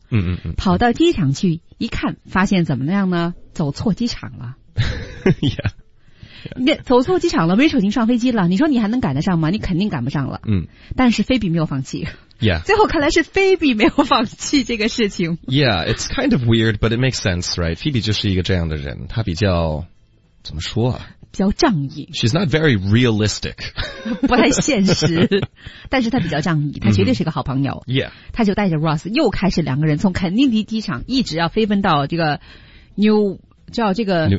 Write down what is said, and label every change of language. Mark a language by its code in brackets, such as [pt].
[zh] 嗯嗯嗯，跑到机场去一看，发现怎么样呢？走错机场了。 [en] Yeah。 [zh] 你走错机场了 ，Rachel 已经上飞机了。你说你还能赶得上吗？你肯定赶不上了。嗯，但是菲比没有放弃。 [en] Yeah， [zh] 最后看来是菲比没有放弃这个事情。 [en] Yeah， it's kind of weird， but it makes sense， right？ [zh] 菲比就是一个这样的人，他比较怎么说啊？比较仗义。 [en] She's not very realistic， [zh] 不太现实，但是他比较仗义，他绝对是个好朋友。 [en] Mm-hmm. Yeah， [zh] 他就带着 Ross 又开始两个人从肯尼迪机场一直要飞奔到这个 New。叫这个